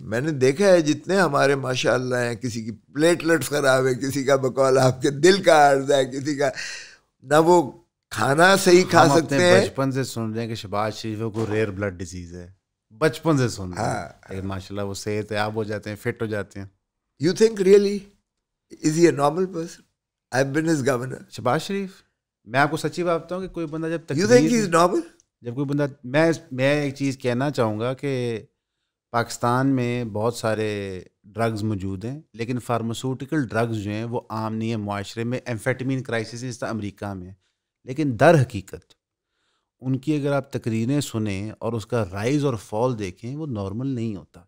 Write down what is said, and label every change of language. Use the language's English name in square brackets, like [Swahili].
[Urdu] میں نے دیکھا ہے جتنے ہمارے ماشاء اللہ ہیں, کسی کی پلیٹلیٹس خراب ہے, کسی کا بقول آپ کے دل کا عرض ہے, کسی کا نہ وہ کھانا صحیح کھا سکتے ہیں. بچپن سے سن رہے ہیں کہ شہباز شریف کو ریئر بلڈ ڈیزیز ہے, بچپن سے سن رہے ہیں, ماشاء اللہ وہ صحت یاب ہو جاتے ہیں, فٹ ہو جاتے ہیں. [English] You think really is he a normal person? I have been his governor. [Urdu] Shahbaz شریف, میں آپ کو سچی بات بتاؤں کہ کوئی بندہ جب تک, [English] You think he is normal? [Urdu] جب کوئی بندہ, میں ایک چیز کہنا چاہوں گا کہ پاکستان میں بہت سارے ڈرگز موجود ہیں, لیکن فارماسیوٹیکل ڈرگز جو ہیں وہ عام نہیں ہیں معاشرے میں. ایمفیٹامین کرائسس جس طرح امریکہ میں, لیکن در حقیقت ان کی اگر آپ تقریریں سنیں اور اس کا رائز اور فال دیکھیں, وہ نارمل نہیں ہوتا.